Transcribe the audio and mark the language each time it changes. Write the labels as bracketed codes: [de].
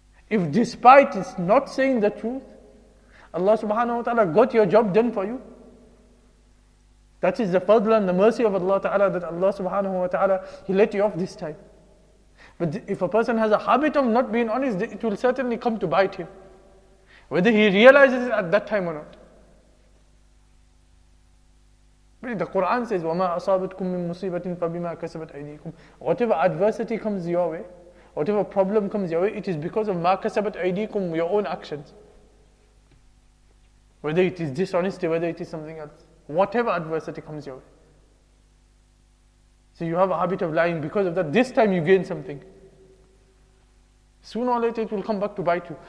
[en] If despite it's not saying the truth, Allah subhanahu wa ta'ala got your job done for you. That is the fadl and the mercy of Allah ta'ala, that Allah subhanahu wa ta'ala, he let you off this time. But if a person has a habit of not being honest, it will certainly come to bite him. Whether he realizes it at that time or not. But the Quran says, [ar] وَمَا أَصَابَتْكُم مِّن مُصِيبَةٍ فَبِمَا كَسَبَتْ أَيْدِيكُمْ. [en] Whatever adversity comes your way, whatever problem comes your way, it is because of [ar] مَا كَسَبَتْ أَيْدِيكُمْ, [en] your own actions. Whether it is dishonesty, whether it is something else. Whatever adversity comes your way. So you have a habit of lying, because of that, this time you gain something. Sooner or later it will come back to bite you.